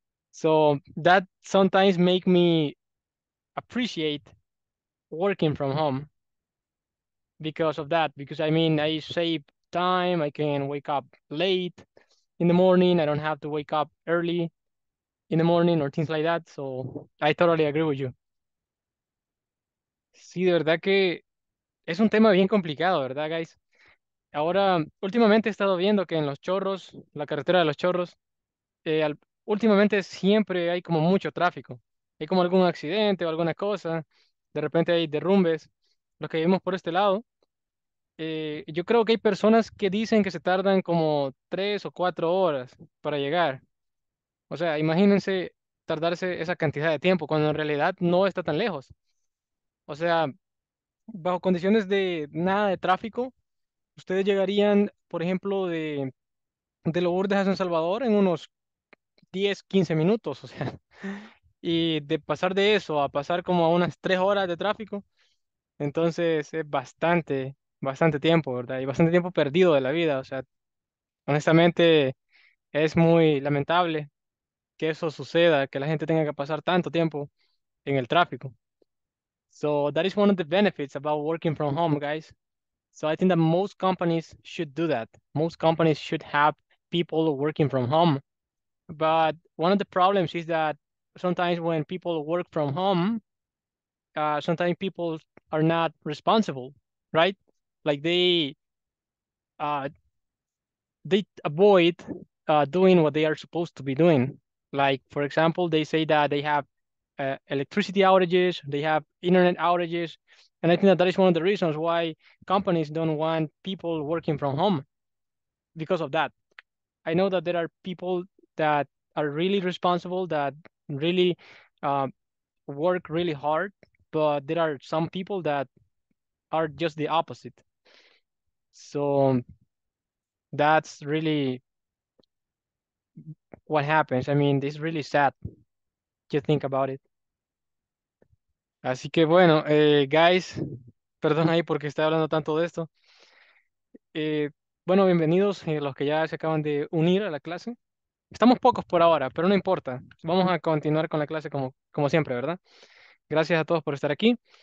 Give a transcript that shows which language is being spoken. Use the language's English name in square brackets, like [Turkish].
[English] So that sometimes make me appreciate working from home because of that. Because I mean, I save time. I can wake up late in the morning. I don't have to wake up early in the morning or things like that. So I totally agree with you. [Spanish] Sí, de verdad que es un tema bien complicado, ¿verdad, guys? Ahora, últimamente he estado viendo que en Los Chorros, la carretera de Los Chorros, últimamente siempre hay como mucho tráfico. Hay como algún accidente o alguna cosa. De repente hay derrumbes. Los que vivimos por este lado, yo creo que hay personas que dicen que se tardan como 3 o 4 horas para llegar. O sea, imagínense tardarse esa cantidad de tiempo cuando en realidad no está tan lejos. O sea, bajo condiciones de nada de tráfico, ustedes llegarían, por ejemplo, de Lourdes a San Salvador en unos 10, 15 minutos, o sea, y de pasar de eso a pasar como a unas 3 horas de tráfico, entonces es bastante, bastante tiempo, ¿verdad? Y bastante tiempo perdido de la vida, o sea, honestamente Es muy lamentable que eso suceda, que la gente tenga que pasar tanto tiempo en el tráfico. [English] So that is one of the benefits about working from home, guys. So I think that most companies should do that. Most companies should have people working from home. But one of the problems is that sometimes when people work from home, sometimes people are not responsible, right? Like they avoid doing what they are supposed to be doing. Like, for example, they say that they have electricity outages, they have internet outages. And I think that that is one of the reasons why companies don't want people working from home because of that. I know that there are people that are really responsible, that really work really hard, but there are some people that are just the opposite. So that's really what happens. I mean, this is really sad to think about it. [Spanish] Así que bueno, guys, perdón ahí porque estoy hablando tanto de esto. Bueno, bienvenidos a los que ya se acaban de unir a la clase. Estamos pocos por ahora, pero no importa. Vamos a continuar con la clase como siempre, ¿verdad? Gracias a todos por estar aquí.